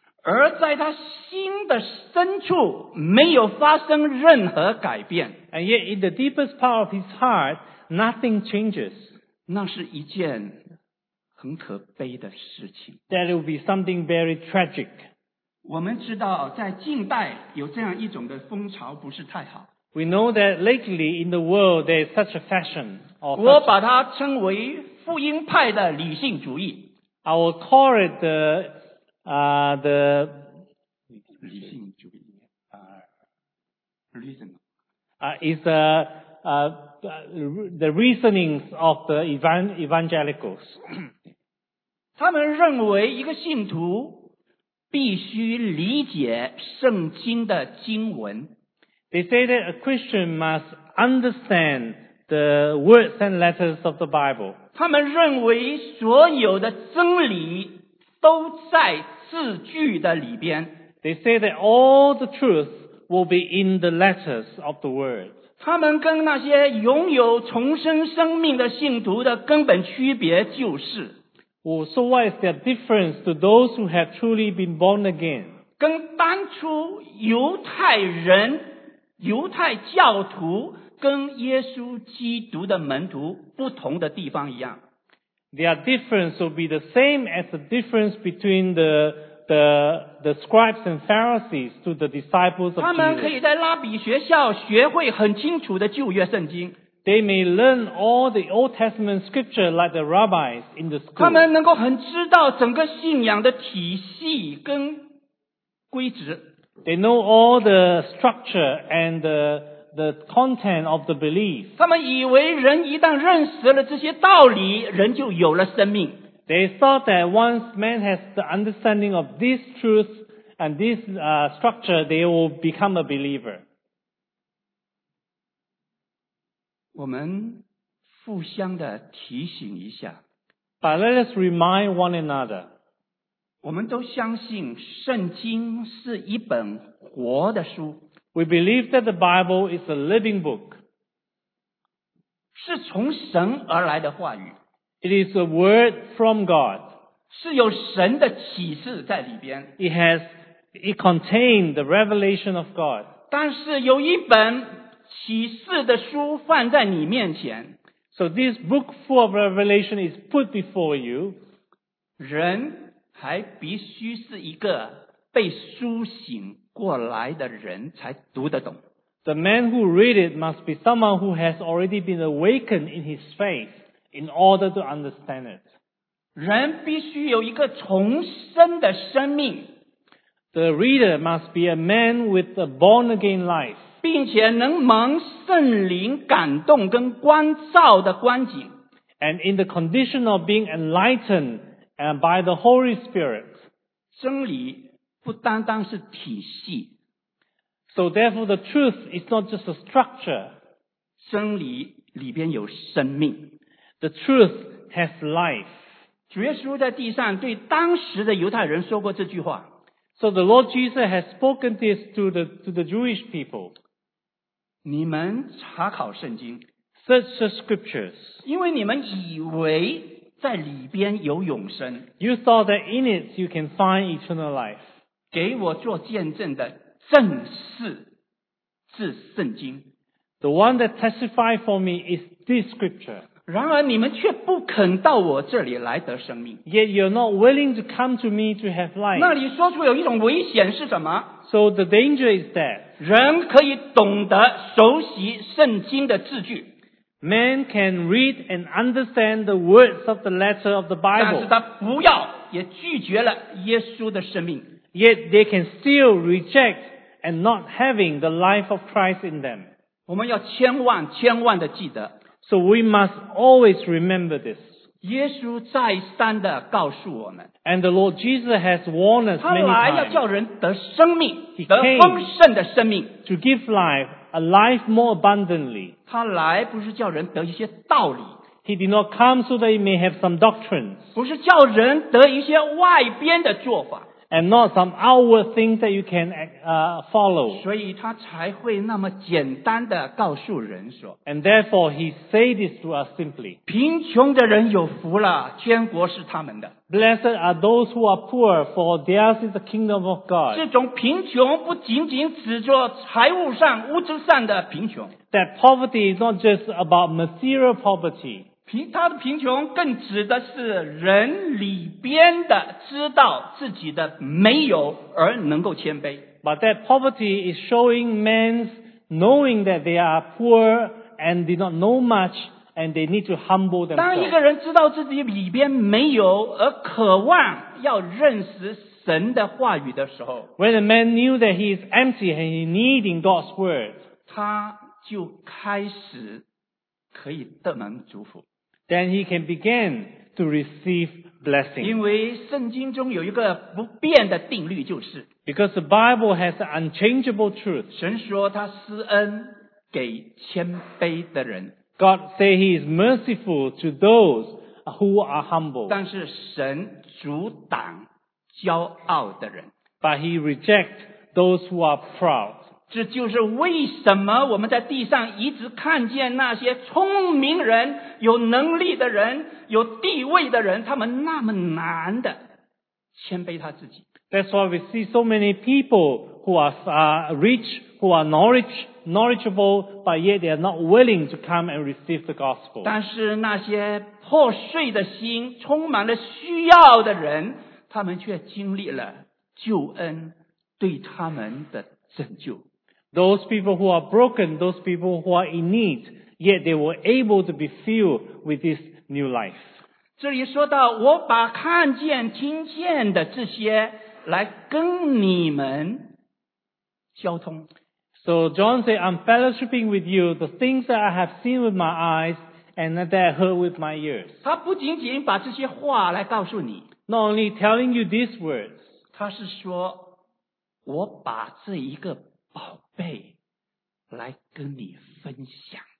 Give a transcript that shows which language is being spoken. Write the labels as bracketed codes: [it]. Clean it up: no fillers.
[zh] 而在他心的深处没有发生任何改变。 [en] And yet in the deepest part of his heart, nothing changes. [zh] 那是一件很可悲的事情。 [en] That will be something very tragic. [zh] 我们知道在近代有这样一种的风潮不是太好。 [en] We know that lately in the world there is such a fashion. [zh] 我把它称为福音派的理性主义。 [en] I will call it the [zh] 理性主义 reason. [en] It's the reasonings of the evangelicals. [zh] 他们认为一个信徒必须理解圣经的经文。 [en] They say that a Christian must understand the words and letters of the Bible. [zh] 他们认为所有的真理都在字句的里边。 [en] They say that all the truth will be in the letters of the word. [zh] 他们跟那些拥有重生生命的信徒的根本区别就是。 [en] Well, so what is their difference to those who have truly been born again? [zh] 跟当初犹太人犹太教徒跟耶稣基督的门徒不同的地方一样。 [en] Their difference will be the same as the difference between the scribes and Pharisees to the disciples of Jesus. [zh] 他们可以在拉比学校学会很清楚的旧约圣经。 [en] They may learn all the Old Testament scripture like the rabbis in the school. [zh] 他们能够很知道整个信仰的体系跟规则。 [en] They know all the structure and the content of the belief. [zh] 他们以为人一旦认识了这些道理，人就有了生命。 [en] They thought that once man has the understanding of this truth and this structure, they will become a believer. [zh] 我们互相的提醒一下。 [en] But let us remind one another. [zh] 我们都相信圣经是一本活的书。 [en] We believe that the Bible is a living book. [zh] 是从神而来的话语。 [en] It is a word from God. [zh] 是有神的启示在里边。 [en] It contains the revelation of God. [zh] 但是有一本启示的书放在你面前。 [en] So this book full of revelation is put before you. [zh] 人还必须是一个被苏醒过来的人才读得懂。 [en] The man who read it must be someone who has already been awakened in his faith in order to understand it. [zh] 人必须有一个重生的生命。 [en] The reader must be a man with a born again life. [zh] 并且能蒙圣灵感动跟光照的光景。 [en] And in the condition of being enlightened,And by the Holy Spirit. [zh] 真理不单单是体系。 [en] So therefore the truth is not just a structure. [zh] 真理里边有生命。 [en] The truth has life. [zh] 主耶稣在地上对当时的犹太人说过这句话。 [en] So the Lord Jesus has spoken this to the Jewish people. [zh] 你们查考圣经。 [en] Search the scriptures. [zh] 因为你们以为在里边有永生。 [en] You thought that in it you can find eternal life. [zh] 给我做见证的正是这圣经。 [en] The one that testified for me is this scripture. [zh] 然而你们却不肯到我这里来得生命。 [en] Yet you're not willing to come to me to have life. [zh] 那里说出有一种危险是什么？ [en] So the danger is that [zh] 人可以懂得熟悉圣经的字句。 [en] Man can read and understand the words of the letter of the Bible. [zh] 但是他不要，也拒绝了耶稣的生命。 [en] Yet they can still reject and not having the life of Christ in them. [zh] 我们要千万千万的记得。 [en] So we must always remember this. [zh] 耶稣再三的告诉我们。 [en] And the Lord Jesus has warned us many times. [zh] 他来要叫人得生命，得丰盛的生命。 [en] To give life. A life more abundantly. [zh] 他来不是叫人得一些道理。 [en] He did not come so that he may have some doctrines. [zh] 不是叫人得一些外边的做法。 [en] and not some outward thing that you can follow. [zh] 所以他才会那么简单地告诉人说。 [en] And therefore he said this to us simply. [zh] 贫穷的人有福了，天国是他们的。 [en] Blessed are those who are poor, for theirs is the kingdom of God. [zh] 这种贫穷不仅仅指着财务上、物质上的贫穷。 [en] That poverty is not just about material poverty. [zh] 他的贫穷更指的是人里边的知道自己的没有而能够谦卑。 [en] But that poverty is showing men's knowing that they are poor and did not know much and they need to humble themselves. [zh] 当一个人知道自己里边没有而渴望要认识神的话语的时候 [en] ，When a man knew that he is empty and he needing God's word， [zh] 他就开始可以得蒙祝福。 [en] Then he can begin to receive blessing. [zh] 因为圣经中有一个不变的定律就是 [en] Because the Bible has an unchangeable truth. [zh] 神说他施恩给谦卑的人 [en] God says he is merciful to those who are humble. [zh] 但是神阻挡骄傲的人 [en] But he rejects those who are proud. [zh] 这就是为什么我们在地上一直看见那些聪明人、有能力的人、有地位的人，他们那么难的谦卑他自己。 [en] That's why we see so many people who are rich, who are knowledgeable, but yet they are not willing to come and receive the gospel. [zh] 但是那些破碎的心、充满了需要的人，他们却经历了救恩对他们的拯救。 [en] Those people who are broken, those people who are in need, yet they were able to be filled with this new life. [zh] 这里说到我把看见、听见的这些来跟你们交通。 [en] So John said, I'm fellowshipping with you the things that I have seen with my eyes and that I heard with my ears. [zh] 他不仅仅把这些话来告诉你。 [en] Not only telling you these words. [zh] 他是说我把这一个宝贝来跟你分享。